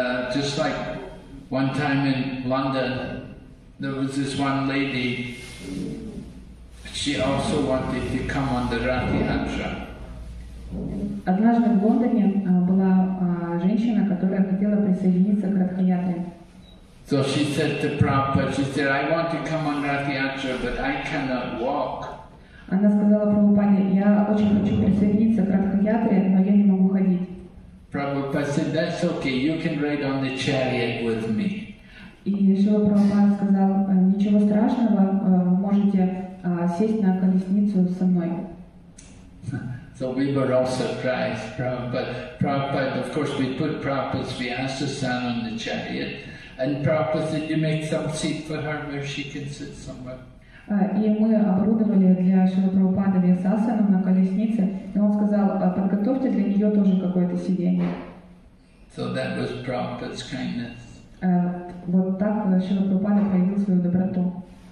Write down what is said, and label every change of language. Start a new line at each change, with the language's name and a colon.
English: Just like one time in London, there was this one lady. She also wanted to come on the Ratha Yatra.
Russian: Однажды в Лондоне была женщина, которая хотела присоединиться к Ратха Ятре.
English: So she said to Prabhupada, she said, I want to come on Ratha Yatra, but I cannot walk.
Russian: Она сказала Прабхупаде, я очень хочу присоединиться к Ратха Ятре, но я не могу ходить.
English: Prabhupada said, that's okay, you can ride on the chariot with me.
Russian: И Шрила Прабхупада сказал, ничего страшного, можете сесть на колесницу со мной.
English: So we were all surprised, Prabhupada, of course, we put Prabhupada's Vyasa-san on the chariot. And Prabhupada said, you make some seat for her where she can sit somewhere.
Russian: И мы оборудовали для Шрила Прабхупада Вьясасану на колеснице. И он сказал, подготовьте для нее тоже какое-то сиденье.
English: So that was Prabhupada's kindness.
Russian: Вот так Шрила Прабхупада проявил свою доброту.